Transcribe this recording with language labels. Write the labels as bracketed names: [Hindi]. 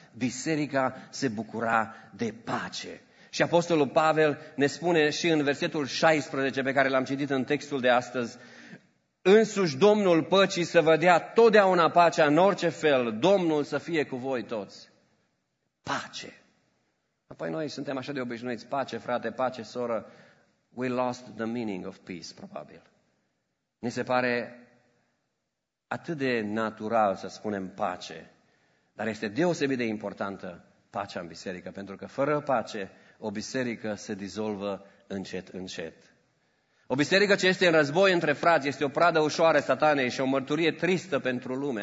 [Romanian] Biserica se bucura de pace. Și Apostolul Pavel ne spune și în versetul 16 pe care l-am citit în textul de astăzi, însuși Domnul păcii să vă dea totdeauna pacea în orice fel, Domnul să fie cu voi toți. Pace. Apoi noi suntem așa de obișnuiți, pace frate, pace soră. [English] We lost the meaning of peace, [Romanian] probabil. Ni se pare atât de natural să spunem pace, dar este deosebit de importantă pacea în biserică, pentru că fără pace, o biserică se dizolvă încet, încet. O biserică ce este în război între frați este o pradă ușoară satanei și o mărturie tristă pentru lume.